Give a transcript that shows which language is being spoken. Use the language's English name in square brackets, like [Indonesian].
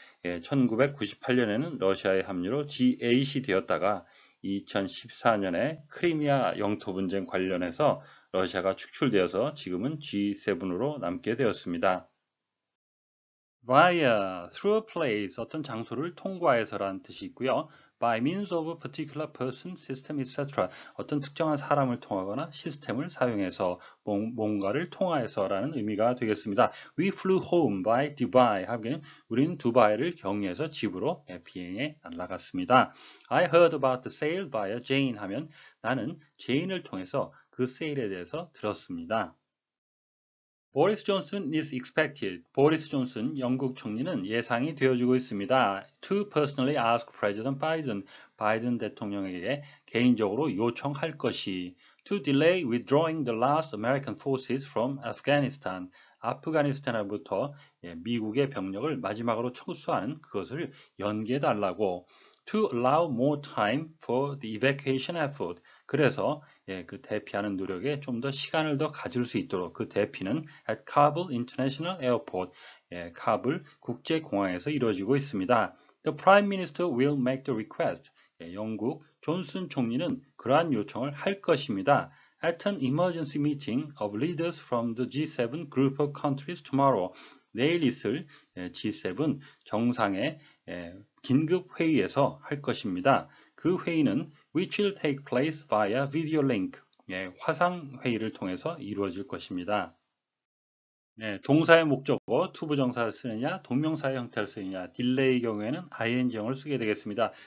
[Korean] 예, 1998년에는 러시아의 합류로 G8이 되었다가 2014년에 크리미아 영토 분쟁 관련해서 러시아가 축출되어서 지금은 G7으로 남게 되었습니다. Via, [English] through a place, [Korean] 어떤 장소를 통과해서라는 뜻이 있고요. [English] By means of a particular person, system, etc. [Korean] 어떤 특정한 사람을 통하거나 시스템을 사용해서 뭔가를 통하여서라는 의미가 되겠습니다. [English] We flew home by Dubai. [Korean] 하기는 우리는 두바이를 경유해서 집으로 비행에 날아갔습니다. [English] I heard about the sale by Jane. [Korean] 하면 나는 제인을 통해서 그 세일에 대해서 들었습니다. [English] Boris Johnson is expected. [Korean] Boris Johnson, 영국 총리는 예상이 되어지고 있습니다. [English] To personally ask President Biden, [Korean] 바이든 대통령에게 개인적으로 요청할 것이. [English] To delay withdrawing the last American forces from Afghanistan. [Korean] 아프가니스탄으로부터 미국의 병력을 마지막으로 철수하는 그것을 연기해달라고. [English] To allow more time for the evacuation effort. [Korean] 그래서 예, 그 대피하는 노력에 좀 더 시간을 더 가질 수 있도록 그 대피는 [English] at Kabul International Airport, [Korean] 예, 카불 국제공항에서 이루어지고 있습니다. [English] The Prime Minister will make the request. [Korean] 예, 영국 존슨 총리는 그러한 요청을 할 것입니다. [English] At an emergency meeting of leaders from the G7 group of countries tomorrow. [Korean] 내일 있을 예, G7 정상의 예, 긴급 회의에서 할 것입니다. 그 회의는 [English] which will take place via video link, [Korean] 예, 화상 회의를 통해서 이루어질 것입니다. 예, 동사의 목적어, 투부정사를 쓰느냐, 동명사의 형태를 쓰느냐, delay 경우에는 ing형을 쓰게 되겠습니다.